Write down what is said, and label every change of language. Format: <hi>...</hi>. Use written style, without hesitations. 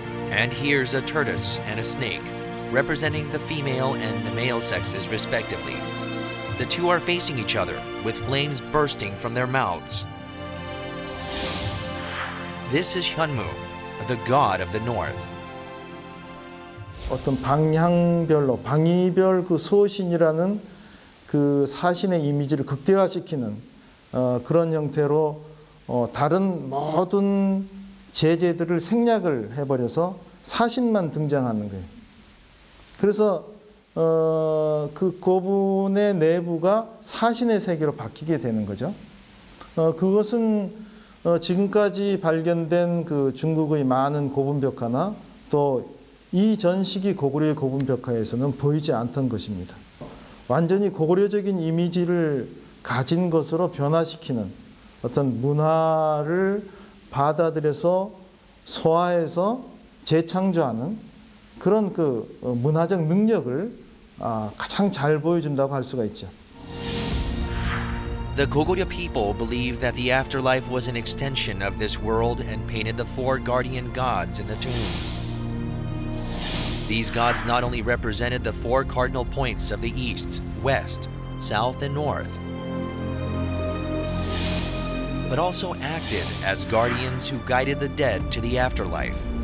<en>And here's a tortoise and a snake, representing the female and the male sexes respectively. The two are facing each other, with flames bursting from their mouths. This is Hyunmu, the god of the north.</en> <ko>어떤 방향별로 방위별 그 수호신이라는 그 사신의 이미지를 극대화시키는 그런 형태로 다른 모든 제재들을 생략을 해버려서 사신만 등장하는 거예요. 그래서 그 고분의 내부가 사신의 세계로 바뀌게 되는 거죠. 그것은 지금까지 발견된 그 중국의 많은 고분벽화나 또 이 전 시기 고구려의 고분벽화에서는 보이지 않던 것입니다. 완전히 고구려적인 이미지를 가진 것으로 변화시키는 어떤 문화를 받아들여서 소화해서 재창조하는 그런 그 문화적 능력을 가장 잘 보여준다고 할 수가 있죠.</ko> <en>The Goguryeo people believed that the afterlife was an extension of this world and painted the four guardian gods in the tombs. These gods not only represented the four cardinal points of the east, west, south, and north, but also acted as guardians who guided the dead to the afterlife.</en>